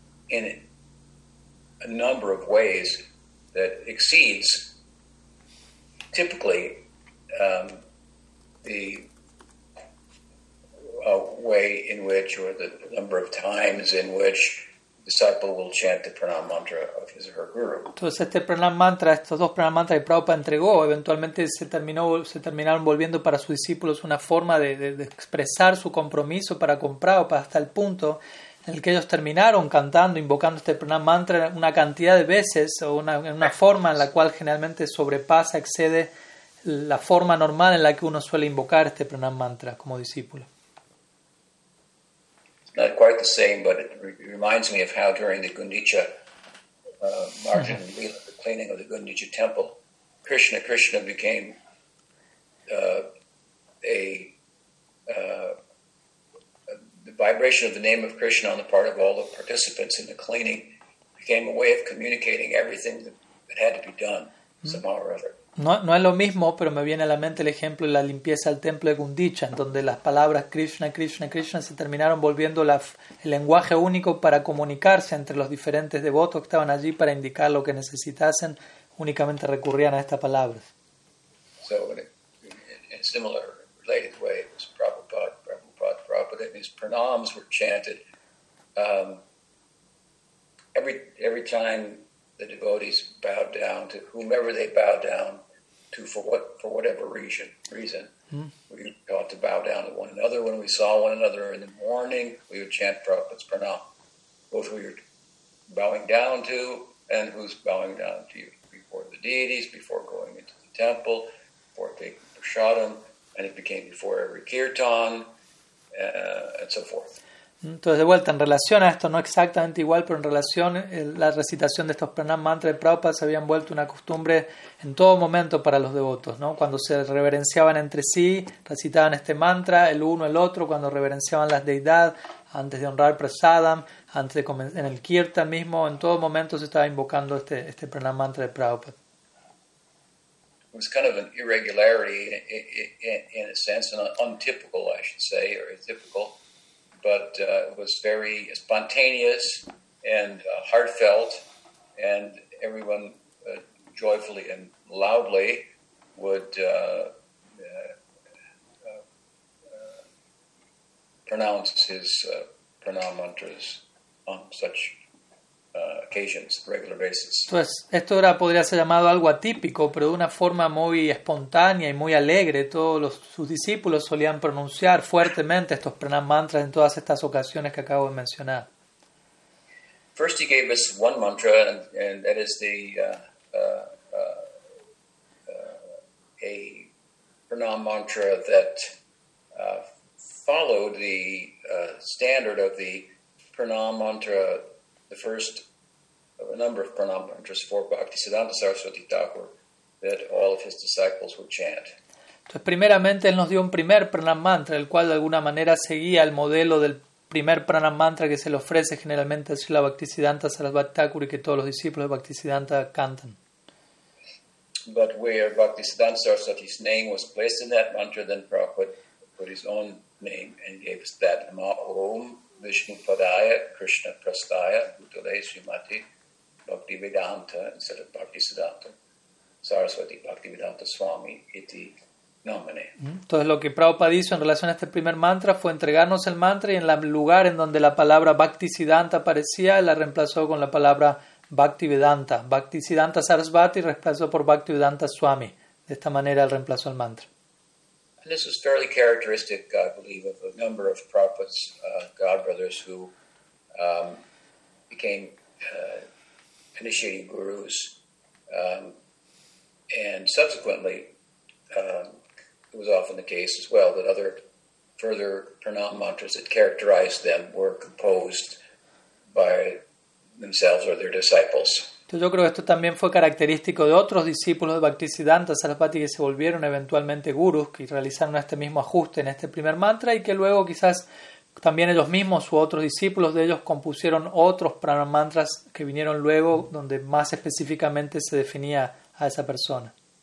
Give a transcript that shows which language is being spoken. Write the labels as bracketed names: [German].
[English] in a number of ways that exceeds typically the way in which or the number of times in which disciple will chant the pranam mantra of his or her guru. [Spanish] Entonces este pranam mantra, estos dos pranam mantras que Prabhupada entregó, eventualmente se terminaron volviendo para sus discípulos una forma de expresar su compromiso para con Prabhupada hasta el punto en el que ellos terminaron cantando, invocando este pranam mantra una cantidad de veces o una forma en la cual generalmente sobrepasa, excede la forma normal en la que uno suele invocar este pranam mantra como discípulo. [English] Not quite the same, but it reminds me of how during the Gundicha Margin Lila, the cleaning of the Gundicha temple, Krishna became the vibration of the name of Krishna on the part of all the participants in the cleaning became a way of communicating everything that had to be done somehow or other. [Spanish] No es lo mismo, pero me viene a la mente el ejemplo de la limpieza del templo de Gundicha, en donde las palabras Krishna, Krishna, Krishna se terminaron volviendo el lenguaje único para comunicarse entre los diferentes devotos que estaban allí para indicar lo que necesitasen, únicamente recurrían a esta palabra. [English] So in a similar related way, it was Prabhupada, and his pranams were chanted every time the devotees bowed down to whomever they bowed down to for whatever reason. We ought to bow down to one another. When we saw one another in the morning, we would chant Prabhupada's pranam. Both we were bowing down to and who's bowing down to you. We before the deities, before going into the temple, before taking prasadam, and it became before every kirtan, and so forth. [Spanish] Entonces, de vuelta, en relación a esto, no exactamente igual, pero en relación a la recitación de estos pranam mantras de Prabhupada, se habían vuelto una costumbre en todo momento para los devotos, ¿no? Cuando se reverenciaban entre sí, recitaban este mantra, el uno, el otro, cuando reverenciaban las deidades, antes de honrar prasadam, antes de comenzar en el kirtan mismo, en todo momento se estaba invocando este pranam mantra de Prabhupada. [English] It was kind of an irregularity, in a sense, and untypical, I should say, or atypical. But it was very spontaneous and heartfelt, and everyone joyfully and loudly would pronounce his pranam mantras on such occasions, regular basis. [Spanish] Entonces, esto era, podría ser llamado algo atípico, pero de una forma muy espontánea y muy alegre. Todos sus discípulos solían pronunciar fuertemente estos pranam mantras en todas estas ocasiones que acabo de mencionar. [English] First he gave us one mantra, and that is the a pranam mantra that followed the standard of the pranam mantra, the first of a number of pranam mantras for Bhaktisiddhanta Saraswati Thakur that all of his disciples would chant. [Spanish] Entonces, primeramente, él nos dio un primer pranam mantra, el cual de alguna manera seguía el modelo del primer pranam mantra que se le ofrece generalmente a Srila Bhaktisiddhanta Saraswati Thakur y que todos los discípulos de Bhaktisiddhanta cantan. [English] But where Bhaktisiddhanta Saraswati's name was placed in that mantra, then Prabhupada put his own name and gave us that Ma Om Vishnu Padaya, Krishna Prastaya, Bhutale Srimati, Bhakti Vedanta, instead of Bhakti Siddhanta, Saraswati Bhakti Vedanta Swami, Iti Nomine. [Spanish] Entonces, lo que Prabhupada hizo en relación a este primer mantra fue entregarnos el mantra y en el lugar en donde la palabra Bhakti Siddhanta aparecía, la reemplazó con la palabra Bhakti Vedanta. Bhakti Siddhanta Sarasvati reemplazó por Bhakti Vedanta Swami. De esta manera, él reemplazó el mantra. [English] And this is fairly characteristic, I believe, of a number of Prabhupada's godbrothers who became initiating gurus. And subsequently, it was often the case as well that other further pranam mantras that characterized them were composed by themselves or their disciples. [Spanish] Yo creo que esto también fue característico de otros discípulos de Bhaktisiddhanta Saraswati que se volvieron eventualmente gurús, que realizaron este mismo ajuste en este primer mantra y que luego quizás también ellos mismos u otros discípulos de ellos compusieron otros pranam mantras que vinieron luego donde más específicamente se definía a esa persona.